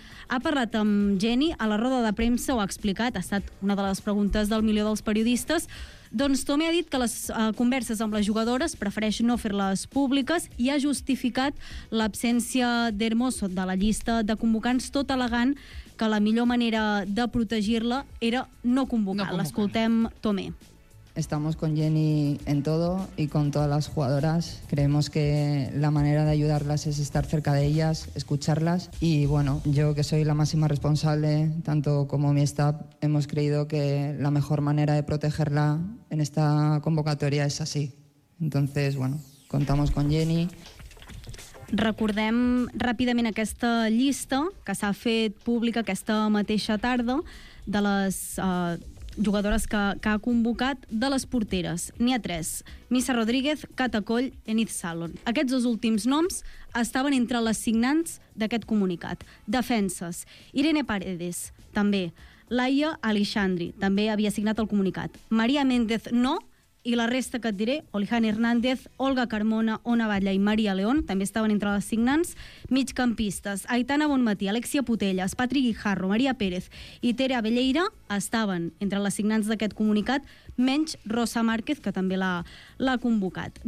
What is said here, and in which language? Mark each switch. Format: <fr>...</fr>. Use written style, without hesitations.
<ca>Ha parlat amb Jenny, a la roda de premsa ho ha explicat, ha estat una de les preguntes del milió dels periodistes. Doncs Tomé ha dit que les converses amb les jugadores prefereix no fer-les públiques i ha justificat l'absència d'Hermoso de la llista de convocants, tot al·legant que la millor manera de protegir-la era no convocar. L'escoltem, Tomé.</ca> <es>Estamos con Jenny en todo y con todas las jugadoras. Creemos que la manera de ayudarlas es estar cerca de ellas, escucharlas. Y bueno, yo que soy la máxima responsable, tanto como mi staff, hemos creído que la mejor manera de protegerla en esta convocatoria es así. Entonces, bueno, contamos con Jenny.</es> <ca>Recordem ràpidament aquesta llista que s'ha fet pública aquesta mateixa tarda de les... jugadores que ha convocat de les porteres. N'hi ha tres: Missa Rodríguez, Cata Coll i Enid Salon. Aquests dos últims noms estaven entre les signants d'aquest comunicat. Defenses: Irene Paredes, també. Laia Alexandri, també havia signat el comunicat. Maria Méndez, no. I la resta que et diré, Olihan Hernández, Olga Carmona, Ona Batlle i Maria León, també estaven entre les signants, migcampistes, Aitana Bonmatí, Alexia Putellas, Patri Guijarro, Maria Pérez i Tere Abelleira estaven entre les signants d'aquest comunicat, menys Rosa Márquez, que també l'ha convocat.</ca>